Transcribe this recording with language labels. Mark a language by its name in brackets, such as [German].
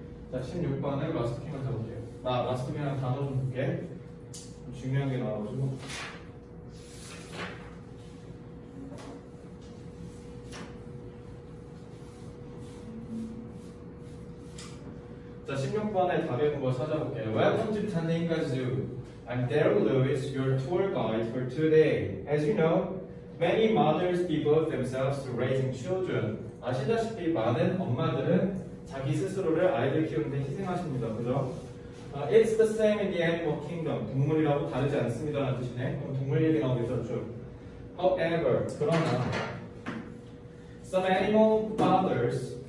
[Korean] 자, 16번에 마스터킹을 잡을게요. 나 마스터킹이랑 단어 좀 볼게. 중요한 게 나와가지고. 자, 16번에 답의 문구 찾아볼게요. [English] Welcome to Tanengazoo. I'm Daryl Lewis, your tour guide for today. As you know, many mothers devote themselves to raising children. [Korean] 아시다시피 많은 엄마들은 자기 스스로를 아이들 키우는데 희생하십니다. 그죠? [English] It's the same in the animal kingdom. [Korean] 동물이라고 다르지 않습니다. 라는 뜻이네. 그럼 동물 얘기 나오겠죠? 쭉. [English] However, [Korean] 그러나 [English] some animal mothers.